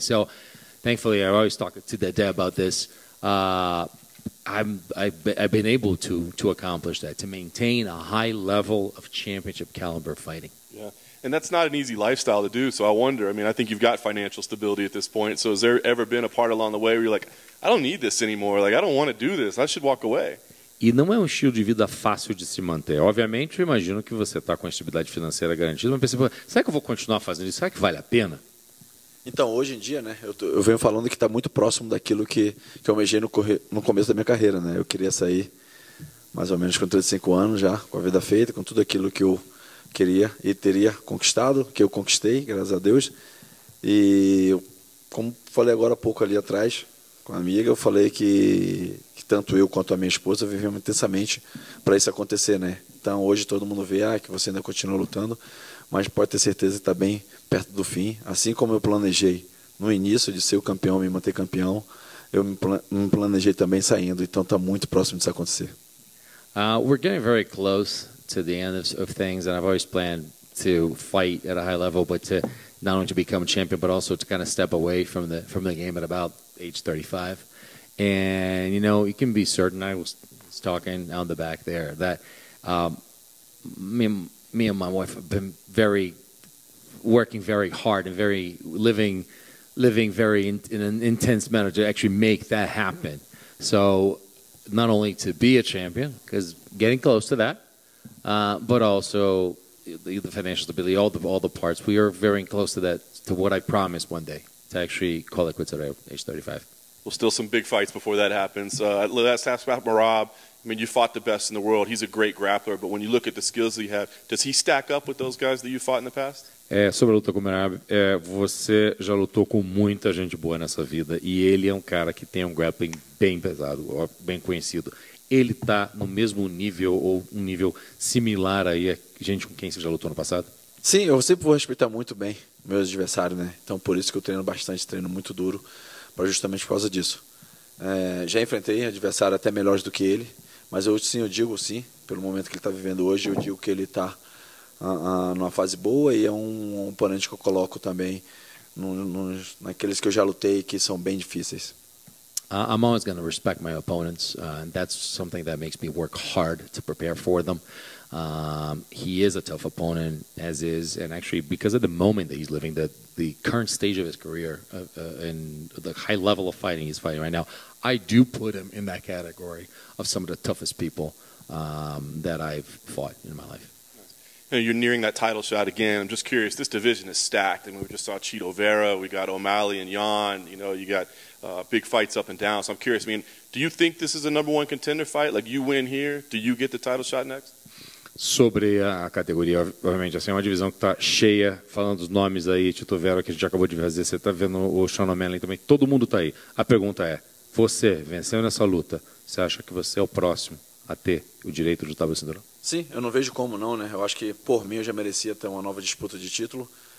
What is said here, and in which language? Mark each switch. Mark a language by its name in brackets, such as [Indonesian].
[English] So, thankfully, I always talk to Dede about this. I've been able to accomplish that, to maintain a high level of championship caliber fighting. Yeah, and that's not an easy lifestyle to do, so I wonder. I mean, I think you've got financial stability at this point, so has there ever been a part along the way where you're like, I don't need this anymore, like, I don't want to do this, I should walk away? [Portuguese] E não é um estilo de vida fácil de se manter. Obviamente, eu imagino que você está com a estabilidade financeira garantida, mas pensa, será que eu vou continuar fazendo isso? Será que vale a pena? Então, hoje em dia, né, eu venho falando que está muito próximo daquilo que eu almejei no começo da minha carreira. Né? Eu queria sair mais ou menos com 35 anos já, com a vida feita, com tudo aquilo que eu queria e teria conquistado, que eu conquistei, graças a Deus. E eu, como falei agora há pouco ali atrás com a amiga, eu falei que tanto eu quanto a minha esposa vivemos intensamente para isso acontecer, né? Então hoje todo mundo vê que você ainda continua lutando, mas pode ter certeza que está bem perto do fim. Assim como eu planejei no início de ser o campeão, me manter campeão, eu me planejei também saindo, então está muito próximo disso acontecer. [English] We're getting very close to the end of things, and I've always planned to fight at a high level, but to not only to become champion, but also to kind of step away from the game at about age 35. And, you know, you can be certain, I was talking out the back there, that me and my wife have been working very hard and living in an intense manner to actually make that happen. So not only to be a champion, because getting close to that, but also the financial stability, all the parts, we are very close to that, to what I promised one day, to actually call it quits at age 35. Well, still some big fights before that happens. Let's ask about Merab. I mean, you fought the best in the world. He's a great grappler, but when you look at the skills that you have, does he stack up with those guys that you fought in the past? [Portuguese] Sobre a luta com o Merab, você já lutou com muita gente boa nessa vida, e ele é cara que tem grappling bem pesado, bem conhecido. Ele está no mesmo nível ou nível similar aí a gente com quem você já lutou no passado? Sim, eu sempre vou respeitar muito bem meus adversários, né? Então, por isso que eu treino bastante, treino muito duro, justamente por causa disso. Já enfrentei adversário até melhores do que ele, mas eu digo sim, pelo momento que ele está vivendo hoje, eu digo que ele está numa fase boa e é um oponente que eu coloco também naqueles que eu já lutei que são bem difíceis. [English] I'm always going to respect my opponents, and that's something that makes me work hard to prepare for them. He is a tough opponent, as is, and actually because of the moment that he's living, the current stage of his career, and the high level of fighting he's fighting right now, I do put him in that category of some of the toughest people that I've fought in my life. You know, you're nearing that title shot again. I'm just curious, this division is stacked. I mean, we just saw Chito Vera, we got O'Malley and Jan, you know, you got big fights up and down. So I'm curious, I mean, do you think this is a number one contender fight? Like, you win here, do you get the title shot next? [Portuguese] Sobre a categoria, obviamente, assim, é uma divisão que está cheia, falando dos nomes aí, Chito Vera, que a gente acabou de fazer, você está vendo o Sean O'Malley também, todo mundo está aí. A pergunta é, você venceu nessa luta, você acha que você é o próximo a ter o direito de lutar no cinturão? Sim, eu não vejo como não, né? Eu acho que por mim eu já merecia ter uma nova disputa de título.